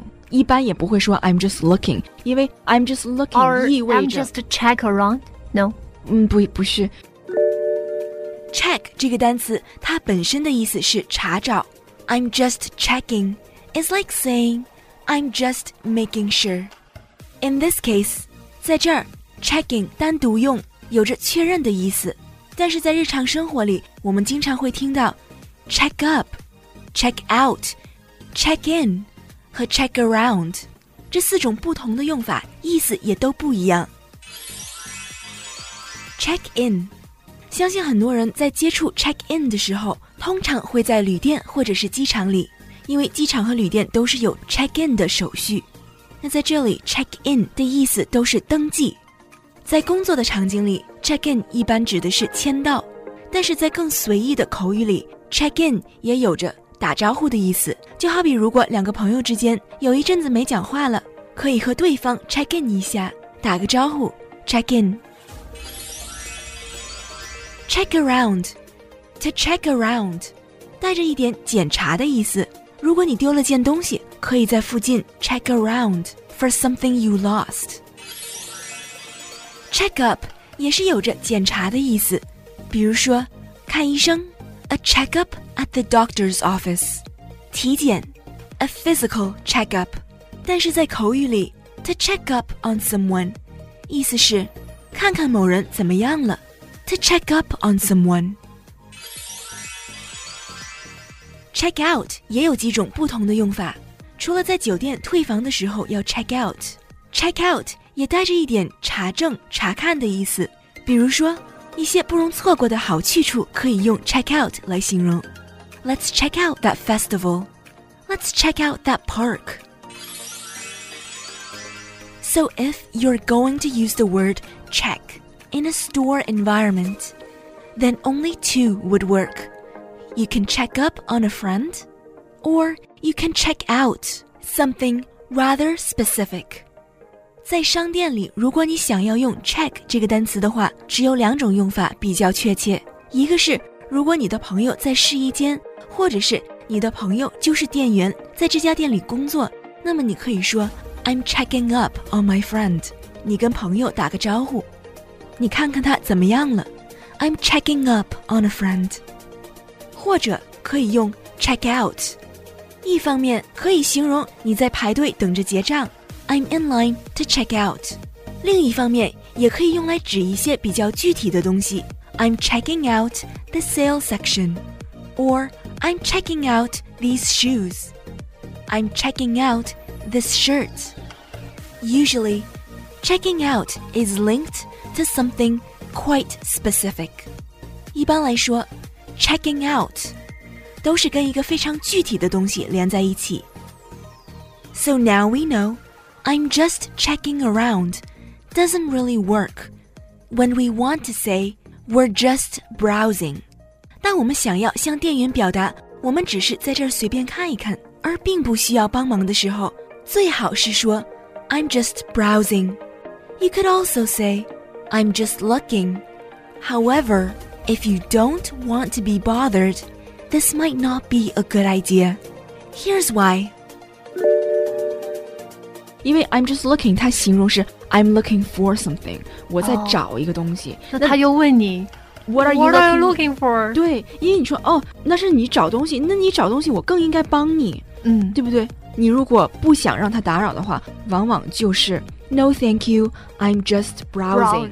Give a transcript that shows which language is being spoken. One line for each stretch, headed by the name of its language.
Chinese: 一般也不会说
English: I'm just looking,
Chinese: 因为
English: I'm just looking Or
Chinese: 意味着
English: I'm just check around. No.
Chinese: 不是。 Check 这个单词它本身的意思是查找。
English: I'm just checking. It's like saying, I'm just making sure. In this case,
Chinese: 在这儿 checking 单独用有着确认的意思。但是在日常生活里，我们经常会听到 check up, check out, check in 和 check around 这四种不同的用法，意思也都不一样。
English: Check in，
Chinese: 相信很多人在接触 check in 的时候，通常会在旅店或者是机场里，因为机场和旅店都是有 check in 的手续。那在这里 check in 的意思都是登记。在工作的场景里 check in 一般指的是签到，但是在更随意的口语里 check in 也有着打招呼的意思。就好比如果两个朋友之间有一阵子没讲话了，可以和对方 check in 一下，打个招呼 check in。 check around， to check around 带着一点检查的意思。如果你丢了件东西，可以在附近
English: check around for something you lost。
Chinese: Check up 也是有着检查的意思，比如说看医生
English: A check up at the doctor's office，
Chinese: 体检
English: A physical check up。
Chinese: 但是在口语里
English: To check up on someone
Chinese: 意思是看看某人怎么样了。
English: To check up on someone。
Chinese: Check out 也有几种不同的用法，除了在酒店退房的时候要 check out， check out也带着一点查证查看的意思，比如说一些不容错过的好去处可以用 check out 来形容。
English: Let's check out that festival. Let's check out that park. So if you're going to use the word check in a store environment, then only two would work. You can check up on a friend, or you can check out something rather specific.
Chinese: 在商店里，如果你想要用 check 这个单词的话，只有两种用法比较确切。一个是如果你的朋友在试衣间，或者是你的朋友就是店员，在这家店里工作，那么你可以说
English: I'm checking up on my friend，
Chinese: 你跟朋友打个招呼，你看看他怎么样了。
English: I'm checking up on a friend.
Chinese: 或者可以用
English: check out，
Chinese: 一方面可以形容你在排队等着结账，
English: I'm in line to check out，
Chinese: 另一方面也可以用来指一些比较具体的东西，
English: I'm checking out the sale section or I'm checking out these shoes. I'm checking out this shirt. Usually, checking out is linked to something quite specific.
Chinese: 一般来说， checking out 都是跟一个非常具体的东西连在一起。
English: So now we know, I'm just checking around doesn't really work when we want to say we're just browsing.
Chinese: 但我们想要向店员表达我们只是在这儿随便看一看而并不需要帮忙的时候，最好是说
English: I'm just browsing. You could also say I'm just looking. However, if you don't want to be bothered, this might not be a good idea. Here's why.
Chinese: 因为
English: I'm just looking
Chinese: 它形容是
English: I'm looking for something，
Chinese: 我在找一个东西。那他又问你
English: What are you looking for?
Chinese: 对，因为你说哦，那是你找东西，那你找东西我更应该帮你，嗯，对不对？你如果不想让他打扰的话，往往就是
English: No thank you, I'm just browsing.